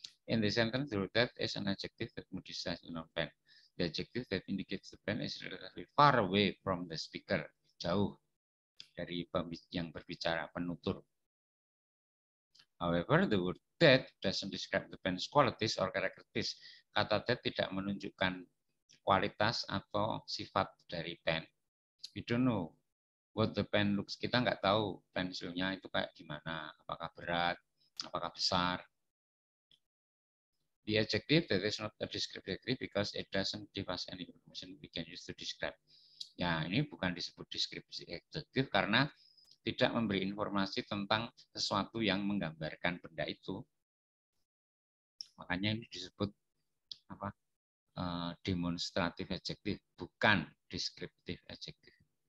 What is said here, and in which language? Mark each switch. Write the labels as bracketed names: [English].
[English] In the sentence, that is an adjective that modifies the pen. The adjective that indicates the pen is relatively far away from the speaker, [Indonesian] jauh dari yang berbicara, penutur. [English] However, the word that doesn't describe the pen's qualities or characteristics. [Indonesian] Kata that tidak menunjukkan kualitas atau sifat dari pen. [English] We don't know what the pen looks. [Indonesian] Kita nggak tahu pensilnya itu kayak gimana, apakah berat, apakah besar. [English] The adjective that is not a descriptive adjective because it doesn't give us any information we can use to describe. [Indonesian] Ya, ini bukan disebut descriptive adjective karena tidak memberi informasi tentang sesuatu yang menggambarkan benda itu. Makanya ini disebut apa? Demonstrative adjective, bukan descriptive adjective.